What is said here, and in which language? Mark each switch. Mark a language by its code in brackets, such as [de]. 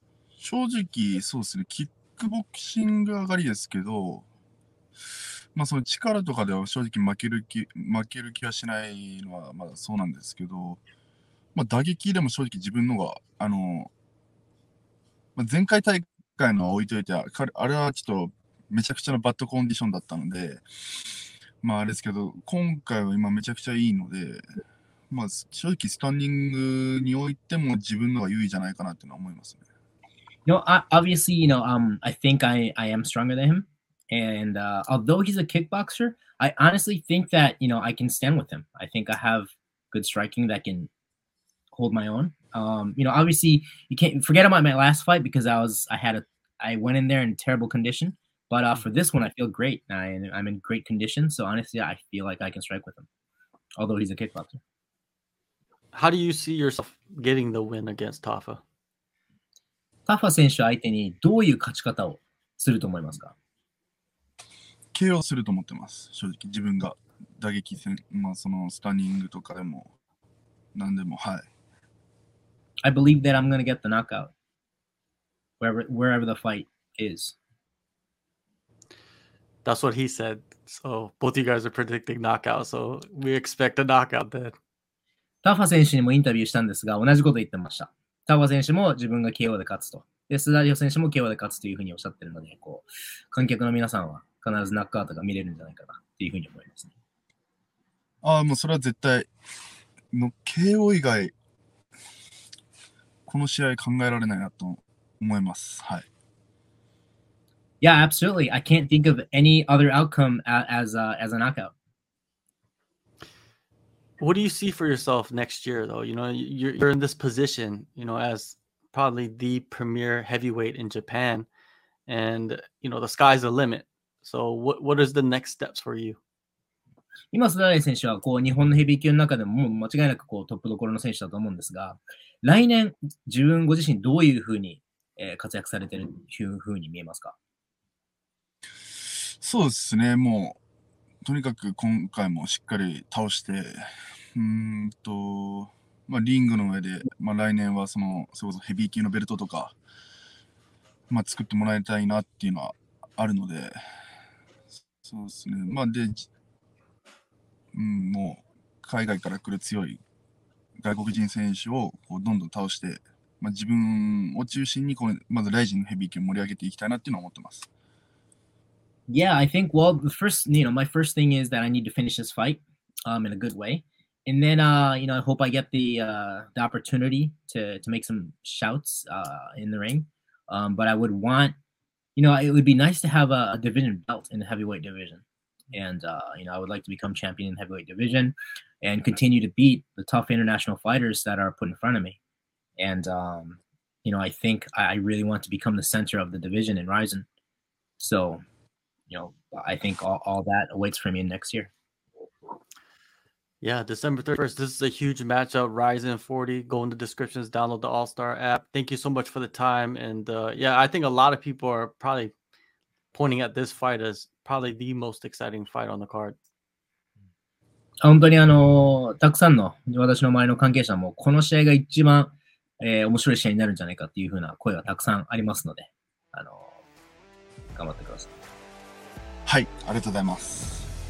[ja] 正直、そうですね、キックボクシング上がりですけど、まあ、その力とかでは正直負ける気はしないのはまだそうなんですけど、まあ、打撃でも正直自分のがあの、まあ、前回大会の置いといてあれはちょっとめちゃくちゃのバッドコンディションだったので、まあ、あれですけど今回は今めちゃくちゃいいので、まあ、正直スタンディングにおいても自分のが優位じゃないかなっていうのは思いますね。 [en] You know, obviously, you know, I think I am stronger than him. And although he's a kickboxer, I honestly think that, you know, I can stand with him. I think I have good striking that can hold my own. You know, obviously, you can't forget about my last fight because I went in there in terrible condition. But for this one, I feel great. I'm in great condition. So honestly, I feel like I can strike with him, although he's a kickboxer. How do you see yourself getting the win against Tafa? [ja] Tafa 選手相手にどういう勝ち方をすると思いますか？ KO すると思ってます。正直自分が打撃戦、まあそのスタンニングとかでも何でも、はい。 [en] I believe that I'm gonna get the knockout wherever the fight is. That's what he said. So both you guys are predicting knockout. So we expect a knockout then. [ja] タファ選手にもインタビューしたんですが、同じこと言ってました。タファ選手も自分が KO で勝つと、でスダリオ選手も KO で勝つというふうにおっしゃってるので、こう観客の皆さんは。必ずナックアウトが見れるんじゃないかなっていうふうに思いますね。ああ、もうそれは絶対の KO 以外この試合考えられないなと思います。はい。 [en] Yeah, absolutely. I can't think of any other outcome as a knockout. What do you see for yourself next year, though? You know, you're in this position, you know, as probably the premier heavyweight in Japan, and you know, the sky's the limit. So what is the next steps for you? [ja] 今スダリオ選手はこう日本のヘビー級の中でも間違いなくこうトップどころの選手だと思うんですが、来年自分ご自身どういうふうに、活躍されてるというふうに見えますか？そうですね、もうとにかく今回もしっかり倒して、まあリングの上で、まあ来年はそのそれこそヘビー級のベルトとか、まあ作ってもらいたいなっていうのはあるので。そうですね。まあで、もう海外から来る強い外国人選手をこうどんどん倒して、まあ、自分を中心にこうまずライジンのヘビー級を盛り上げていきたいなっていうのを思ってます。 [en] Yeah, I think, well, the first, you know, my first thing is that I need to finish this fight, in a good way. And then, you know, I hope I get the opportunity to make some shouts, in the ring. But I would want,You know, it would be nice to have a division belt in the heavyweight division. And, you know, I would like to become champion in the heavyweight division and continue to beat the tough international fighters that are put in front of me. And, you know, I think I really want to become the center of the division in Rizin. So, you know, I think all that awaits for me next year. Yeah, December 31st. This is a huge matchup, Rizin 40. Go in the descriptions, download the All-Star app. Thank you so much for the time. And yeah, I think a lot of people are probably pointing at this fight as probably the most exciting fight on the card. [ja] 本当にあのたくさんの私の周りの関係者もこの試合が一番、面白い試合になるんじゃないかっていうふうな声がたくさんありますので、頑張ってください。はい、ありがとうございます。